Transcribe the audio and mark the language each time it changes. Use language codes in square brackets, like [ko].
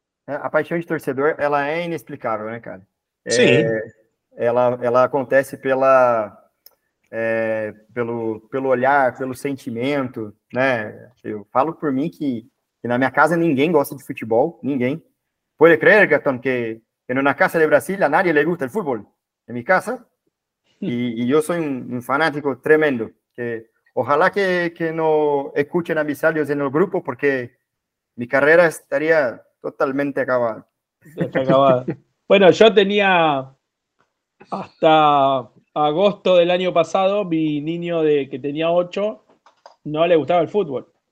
[pt] A paixão de torcedor, ela é inexplicável, né, cara? Sim. Ela acontece pelo olhar, pelo sentimento, né? Eu falo por mim que na minha casa ninguém gosta de futebol, ninguém. Pode crer, Gastón, que na casa de Brasília, [es] nadie le gusta el fútbol. En mi casa. [pt] E eu sou um fanático tremendo. [es] Ojalá que no escuchen a mis audios en el grupo, porque mi carrera estaría totalmente acabada. Está acabado. Bueno, yo tenía hasta agosto del año pasado, mi niño de que tenía 8, no le gustaba el fútbol.